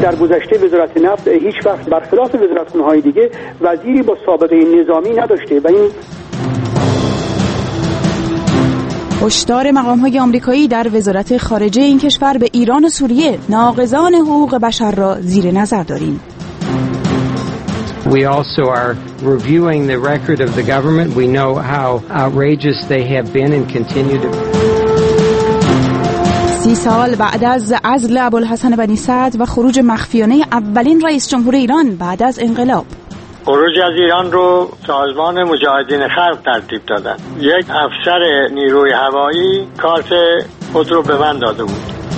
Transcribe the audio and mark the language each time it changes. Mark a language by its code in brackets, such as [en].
[fa] در گذشته وزارت نفت هیچ وقت برخلاف وزارت‌های دیگه وزیری با سابقه نظامی نداشته و این هشدار مقام‌های آمریکایی در وزارت خارجه این کشور به ایران و سوریه، ناقضان حقوق بشر را زیر نظر داریم. [en] We also are reviewing the record of the government. We know how outrageous they have been and continue to. [fa] 30 سال بعد از عزل ابوالحسن بنی سعد و خروج مخفیانه اولین رئیس جمهور ایران بعد از انقلاب. خروج از ایران رو سازمان مجاهدین خلق ترتیب دادن. یک افسر نیروی هوایی کارت خود رو به من داده بود.